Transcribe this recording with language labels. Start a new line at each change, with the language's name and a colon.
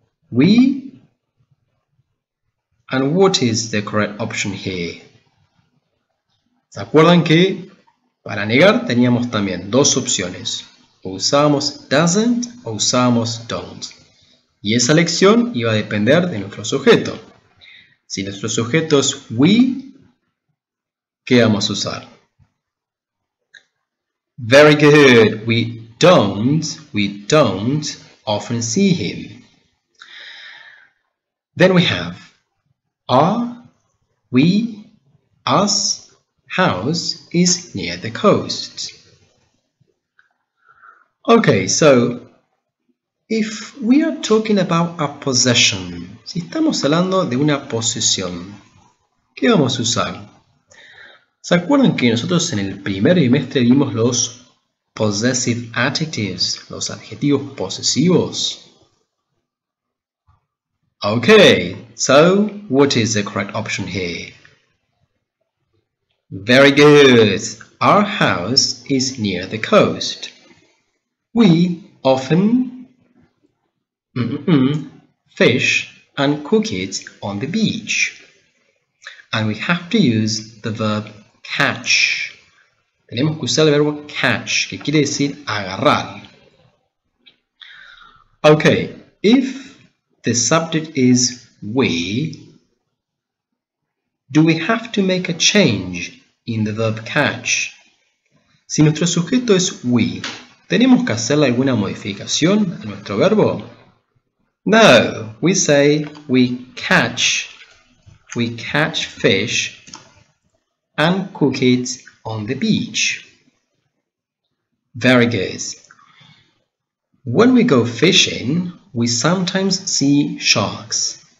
English: We, and what is the correct option here?
Spanish: ¿Se acuerdan que para negar teníamos también dos opciones? O usamos doesn't o usamos don't. Y esa elección iba a depender de nuestro sujeto. Si nuestro sujeto es we, ¿qué vamos a usar?
English: Very good. We don't often see him. Then we have are, we, us, house is near the coast. Okay, so if we are talking about a possession,
Spanish: si estamos hablando de una posesión, ¿qué vamos a usar? ¿Se acuerdan que nosotros en el primer trimestre vimos los
English: possessive adjectives,
Spanish: los adjetivos posesivos?
English: Okay, so what is the correct option here? Very good. Our house is near the coast. We often fish and cook it on the beach. And we have to use the verb catch.
Spanish: Tenemos que usar el verbo catch, que quiere decir agarrar.
English: Okay, if the subject is we, do we have to make a change in the verb catch?
Spanish: Si nuestro sujeto es we, ¿tenemos que hacer alguna modificación a nuestro verbo?
English: No, we say we catch fish and cook it on the beach. Very good. When we go fishing, we sometimes see sharks.